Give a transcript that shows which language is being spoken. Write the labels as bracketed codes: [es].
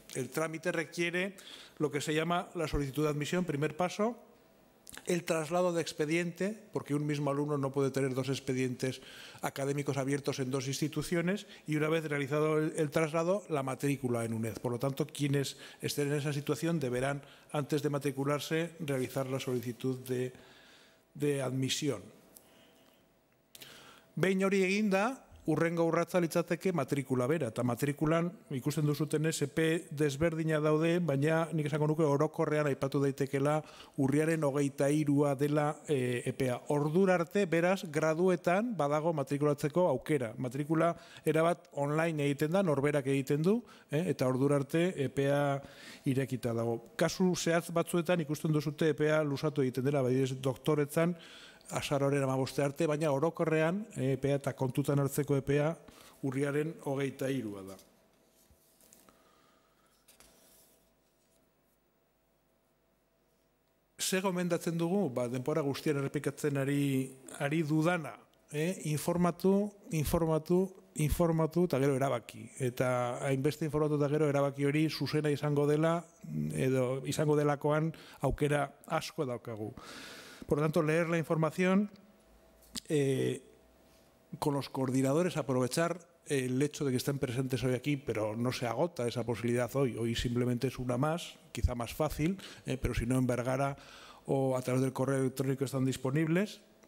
[es] El trámite requiere lo que se llama la solicitud de admisión, primer paso, el traslado de expediente, porque un mismo alumno no puede tener dos expedientes académicos abiertos en dos instituciones, y una vez realizado el traslado, la matrícula en UNED. Por lo tanto, quienes estén en esa situación deberán, antes de matricularse, realizar la solicitud de admisión. [eu] Behin hori eginda, urrengo urratza litzateke matrikula bera, eta matrikulan ikusten duzuten epe desberdina daude, baina nik esango nuke orokorrean aipatu daitekela urriaren 23a dela epea. Ordura arte, beraz, graduetan badago matrikulatzeko aukera. Matrikula erabat online egiten da, norberak egiten du, eta ordura arte epea irekita dago. Kasu zehatz batzuetan ikusten duzute epea lusatu egiten dela, bai ez doktoretzan, azaroren 15 arte, baina orokorrean epea eta kontutan hartzeko epea urriaren 23a da. Ze gomendatzen dugu, ba, denbora guztian errepikatzen ari dudana, informatu eta gero erabaki. Eta hainbeste informatu eta gero erabaki hori zuzena izango dela, edo izango delakoan aukera asko daukagu. [es] Por lo tanto, leer la información con los coordinadores, aprovechar el hecho de que estén presentes hoy aquí, pero no se agota esa posibilidad hoy. Hoy simplemente es una más, quizá más fácil, pero si no en Vergara o a través del correo electrónico están disponibles.